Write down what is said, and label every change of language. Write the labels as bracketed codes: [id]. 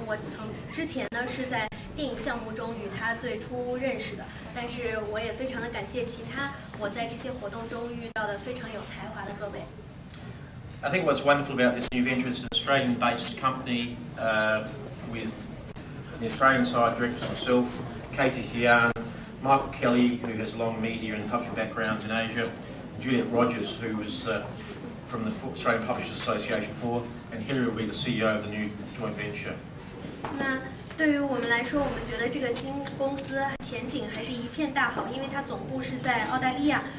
[zh] 我曾之前呢是在电影项目中与她最初认识的，但是我也非常的感谢其他我在这些活动中遇到的非常有才华的各位。 [en] I think what's wonderful about this new venture is an Australian-based company with. The Australian side directors myself, Katie Tian, Michael Kelly, who has long media and publishing backgrounds in Asia, Juliet Rogers, who was from the Australian Publishers Association, and Hillary will be the CEO of the new joint venture. [zh] 那对于我们来说，我们觉得这个新公司前景还是一片大好，因为它总部是在澳大利亚。